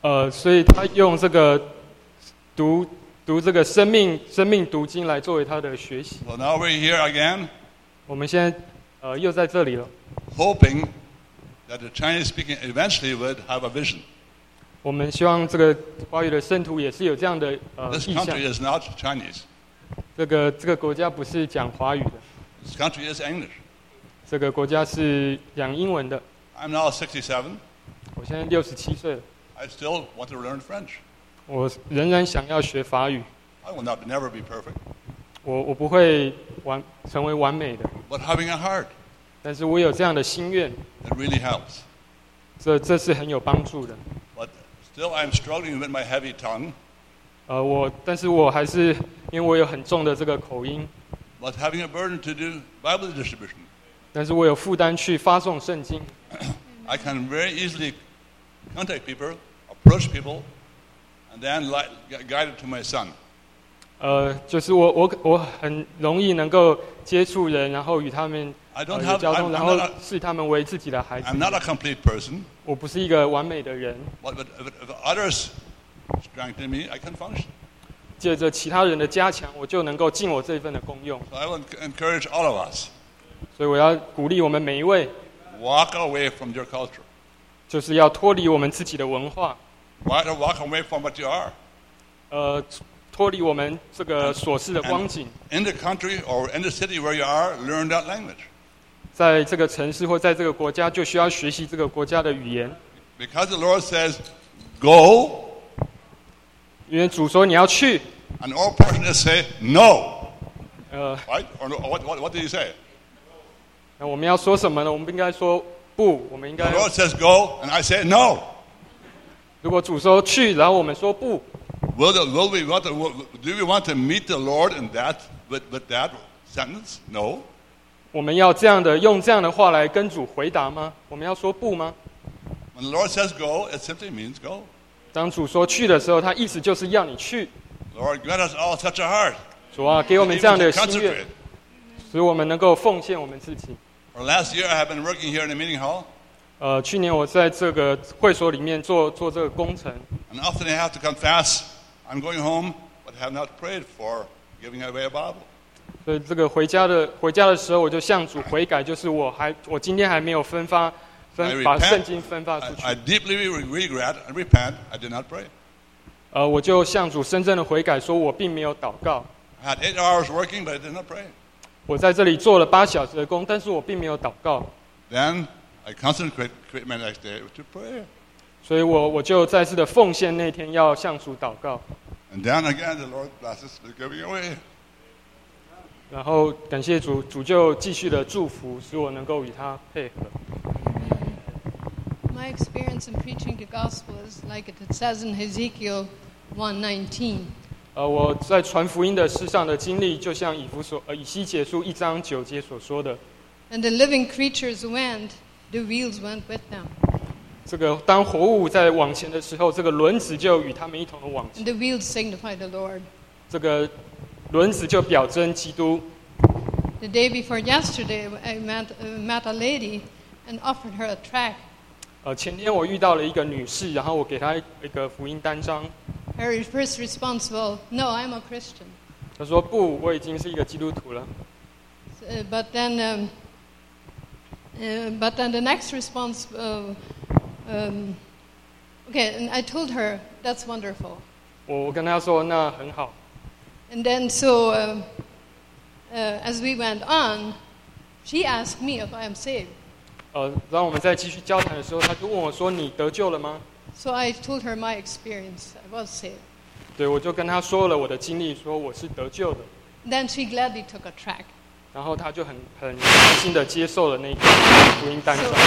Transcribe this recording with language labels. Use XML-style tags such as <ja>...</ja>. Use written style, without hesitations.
<zh>所以她用这个读这个生命读经来作为她的学习。</zh> <en>Well, now we're here again.</en> <zh>我们现在又在这里了。</zh> <en>Hoping that the Chinese speaking eventually would have a vision.</en> <zh>我们希望这个华语的圣徒也是有这样的</zh> <en>This country is not Chinese.</en> <zh>这个国家不是讲华语的。</zh> <en>This country is English.</en> <zh>这个国家是讲英文的。</zh> <en>I'm now 67.</en> <zh>我现在67岁了。</zh> <en>I still want to learn French.</en> <zh>我仍然想要学法语。</zh> <en>I will not never be perfect.</en> <zh>我不会成为完美的。</zh> <en>But having a heart.</en> <zh>但是我有这样的心愿。</zh> <en>It really helps.</en> <zh>这是很有帮助的。</zh> <en>But still I'm struggling with my heavy tongue.</en> <zh>但是我还是因为我有很重的这个口音。</zh> <en>But having a burden to do Bible distribution.</en> <zh>但是我有负担去发送圣经。</zh> <en>I can very easily contact people, approach people, and then get guided to my son.</en> <zh>就是我很容易能够接触人，然后与他们交通，然后视他们为自己的孩子。</zh> <en>I'm not a complete person.</en> <zh>我不是一个完美的人。</zh> <en>But if others strengthen me, I can function.</en> <zh>借着其他人的加强，我就能够尽我这份的功用。</zh> <en>So I will encourage all of us.</en> <zh>所以我要鼓励我们每一位。</zh> <en>Walk away from your culture.</en> <zh>就是要脱离我们自己的文化。</zh> <en>Why to walk away from what you are?</en> <zh>脱离我们这个所示的光景。</zh> <en>In the country or in the city where you are, learn that language.</en> <zh>在这个城市或在这个国家，就需要学习这个国家的语言。</zh> <en>Because the Lord says, "Go."</en> <zh>因为主说你要去。</zh> <en>And all persons say no. Right? Or no, what did he say?</en> <zh>那我们要说什么呢？我们不应该说不，我们应该。</zh> <en>The Lord says, "Go," and I say no.</en> <zh>如果主说去，然后我们说不。</zh> <en>Do we want to meet the Lord in that with that sentence? No.</en> <zh>我们要这样的用这样的话来跟主回答吗？我们要说不吗</zh> <en>？When the Lord says go, it simply means go.</en> <zh>当主说去的时候，他意思就是要你去。</zh> <en>Lord, grant us all such a heart.</en> <zh>主啊，给我们这样的心愿，使我们能够奉献我们自己。</zh> <en>For last year, I have been working here in the meeting hall.</en> <zh>去年我在这个会所里面做这个工程。</zh> <en>And often I have to confess. I'm going home, but have not prayed for giving away a Bible.</en> <zh>所以这个回家的时候，我就向主悔改，就是我今天还没有把圣经分发出去。</zh> <en>I deeply regret and repent. I did not pray.</en> <zh>我就向主深深的悔改，说我并没有祷告。</zh> <en>I had 8 hours working, but I did not pray.</en> <zh>我在这里做了8小时的工，但是我并没有祷告。</zh> <en>Then I concentrate my next day to prayer.</en> <zh>所以我就再次的奉献那天要向主祷告。</zh> <en>And then again, the Lord blesses for giving away.</en> <zh>然后感谢主，主就继续的祝福，使我能够与他配合。</zh> <en>My experience in preaching the gospel is like it says in Ezekiel 1:19.</en> <zh>我在传福音的事上的经历，就像以西结书1:9所说的。</zh> <en>And the living creatures went, the wheels went with them.</en> <zh>这个当活物在往前的时候，这个轮子就与他们一同的往前。</zh> <en>The wheels signify the Lord.</en> <zh>这个轮子就表征基督。</zh> <en>The day before yesterday, I met a lady and offered her a tract.</en> <zh>前天我遇到了一个女士，然后我给她一个福音单张。</zh> <en>Her first response was, "No, I'm a Christian."</en> <zh>她说：“不，我已经是一个基督徒了。”</zh> <en>But then the next response of okay, and I told her that's wonderful.</en> <zh>我跟她说那很好。</zh> <en>And then as we went on, she asked me if I am saved.</en> <zh>然后我们在继续交谈的时候，她就问我说你得救了吗</zh> <en>？So I told her my experience. I was saved.</en> <zh>对，我就跟她说了我的经历，说我是得救的。</zh> <en>Then she gladly took a tract.</en> <zh>然后她就很开心的接受了那个福音单张。</zh>